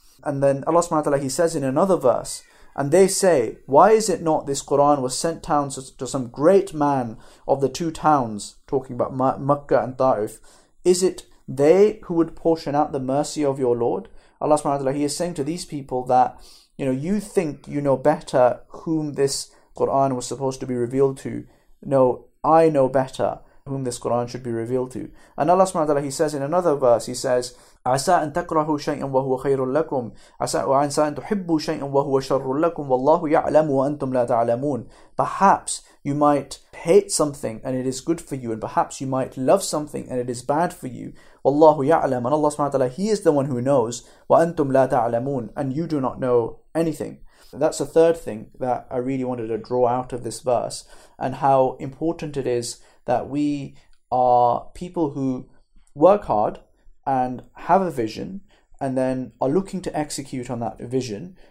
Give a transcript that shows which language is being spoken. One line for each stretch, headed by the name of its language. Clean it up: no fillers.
English: And then Allah subhanahu wa ta'ala, He says in another verse, and they say, "Why is it not this Quran was sent down to some great man of the two towns," talking about Makkah and Ta'if, "is it they who would portion out the mercy of your Lord?" Allah subhanahu wa ta'ala, He is saying to these people that, you know, you think you know better whom this Quran was supposed to be revealed to. No, I know better whom this Quran should be revealed to. And Allah subhanahu wa ta'ala, He says in another verse, He says,
Arabic: عسى أن تكرهوا شيئا وهو خير لكم عسى أن تحبوا شيئا وهو شر لكم والله يعلم وأنتم لا تعلمون.
English: Perhaps you might hate something and it is good for you, and perhaps you might love something and it is bad for you.
Arabic: والله يعلم,
English: and Allah subhanahu wa ta'ala, He is the one who knows.
Arabic: وأنتم لا تعلمون,
English: and you do not know anything. That's the third thing that I really wanted to draw out of this verse, and how important it is that we are people who work hard and have a vision and then are looking to execute on that vision.